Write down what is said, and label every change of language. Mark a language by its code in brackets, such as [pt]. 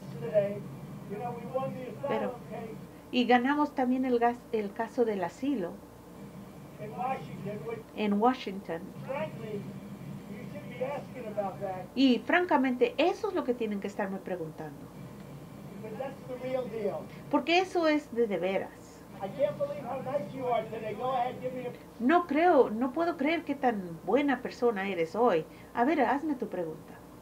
[en] Today, you know, we won the asylum. Pero, case. [es] Y ganamos también el caso del asilo. [en] In Washington, [es] en Washington. [en] Frankly, you should be asking about that. [es] Y francamente, eso es lo que tienen que estarme preguntando. [en] But that's the real deal. [es] Porque eso es de veras. [en] I can't believe how nice you are today. Go ahead, give me a. [es] No creo, no puedo creer qué tan buena persona eres hoy. A ver, hazme tu pregunta.